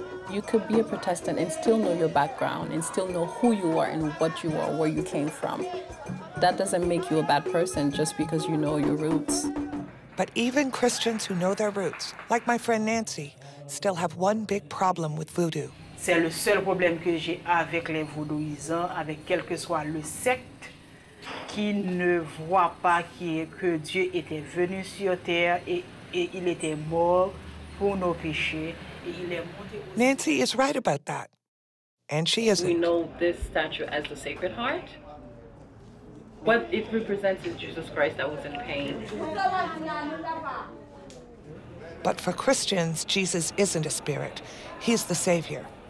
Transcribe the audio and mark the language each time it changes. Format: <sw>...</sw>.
<en>You could be a Protestant and still know your background and still know who you are and what you are, where you came from. That doesn't make you a bad person just because you know your roots. But even Christians who know their roots, like my friend Nancy, still have one big problem with voodoo.</en> <fr>C'est le seul problème que j'ai avec les voodooisants, avec quel que soit le secte, qui ne voit pas que Dieu était venu sur terre et il était mort pour nos péchés.</fr> <en>Nancy is right about that, and she isn't. We know this statue as the Sacred Heart. What it represents is Jesus Christ that was in pain. But for Christians, Jesus isn't a spirit. He's the Savior.</en>